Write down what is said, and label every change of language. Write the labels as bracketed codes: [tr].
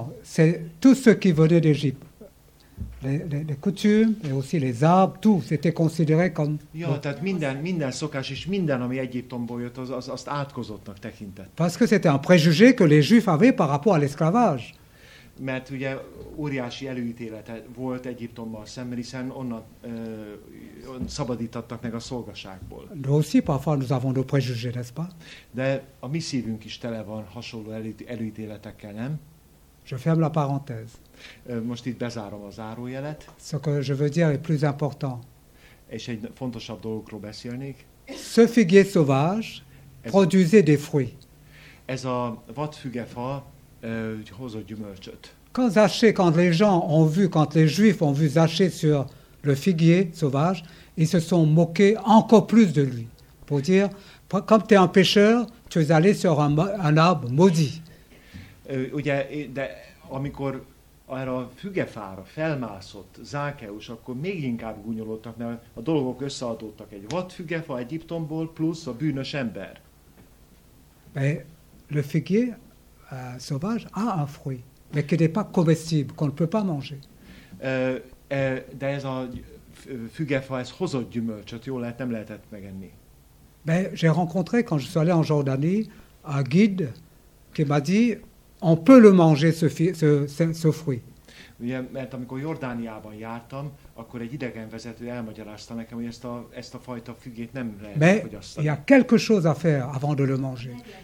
[fr] Non, c'est tous ceux qui venaient d'Égypte. Les coutumes et aussi les arbres, tout, c'était considéré comme. [hu] Jó, tehát minden szokás és minden, ami Egyiptomból jött, azt átkozottnak tekintett. [fr] Parce que c'était un préjugé que les Juifs avaient par rapport à l'esclavage. [hu] Mert ugye óriási előítélete volt Egyiptommal szemben, hiszen onnan szabadítottak meg a szolgaságból. [fr] Nous aussi parfois nous avons nos préjugés, n'est-ce pas? [hu] De a mi szívünk is tele van hasonló előítéletekkel, nem? [fr] Je ferme la parenthèse. [hu] Most itt bezárom a zárójelet. [fr] Ce que je veux dire est plus important. [hu] És egy fontosabb dolgokról beszélnék. [fr] Ce figuier sauvage produisait des fruits. [hu] Ez a vadfügefa hozott gyümölcsöt. [fr] Quand Zachée, quand les gens ont vu, quand les Juifs ont vu Zachée sur le figuier sauvage, ils se sont moqués encore plus de lui. Pour dire, comme tu es un pêcheur, tu es allé sur un arbre maudit. [hu] Ugye, de amikor erre a fügefára felmászott Zákeus, akkor még inkább gúnyolódtak, mert a dolgok összeadódtak. Egy vadfügefa Egyiptomból plusz a bűnös ember. [fr] Mais le figuier sauvage a un fruit, mais qui n'est pas comestible, qu'on ne peut pas manger. [hu] De ez a fügefa, ez hozott gyümölcsöt, jól lehet, nem lehetett megenni. [fr] Mais j'ai rencontré, quand je suis allé en Jordanie, un guide qui m'a dit, on peut le manger, ce fruit. [hu] Ugye, mert amikor Jordániában jártam, akkor egy idegenvezető elmagyarázta nekem, hogy ezt a fajta fügét nem lehet [fr] mais [hu] fogyasztani. [fr] Il y a quelque chose à faire avant de le manger.